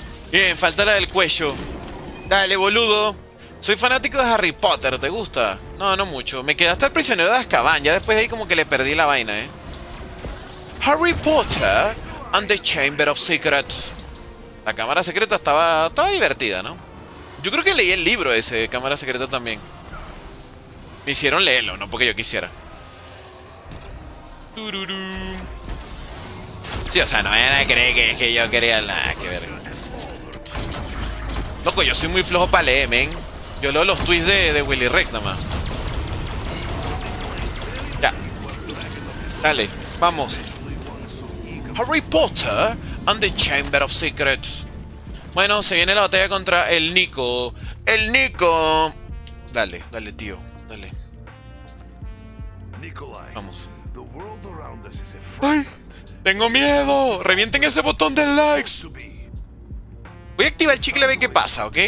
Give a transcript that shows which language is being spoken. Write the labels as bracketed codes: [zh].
[es] Bien, falta la del cuello. Dale, boludo. Soy fanático de Harry Potter, ¿te gusta? No, no mucho. Me quedé hasta el prisionero de Azkaban. Ya después de ahí como que le perdí la vaina, ¿eh? [en] Harry Potter and the Chamber of Secrets. [es] La cámara secreta estaba divertida, ¿no? Yo creo que leí el libro ese, Cámara Secreta, también. Me hicieron leerlo, no porque yo quisiera. Tururú. Sí, o sea, no vayan a creer que es que yo quería nada, que ver. Loco, yo soy muy flojo para leer, men. Yo leo los tweets de Willy Rex nomás. Ya. Dale, vamos. [en] Harry Potter and the Chamber of Secrets. [es] Bueno, se viene la batalla contra el Nico. ¡El Nico! Dale, dale, tío. Dale. Nikolai, vamos. [en] The world around us is a [es] friend. ¡Ay! ¡Tengo miedo! ¡Revienten ese botón de likes! Voy a activar el chicle a ver qué pasa, ¿ok?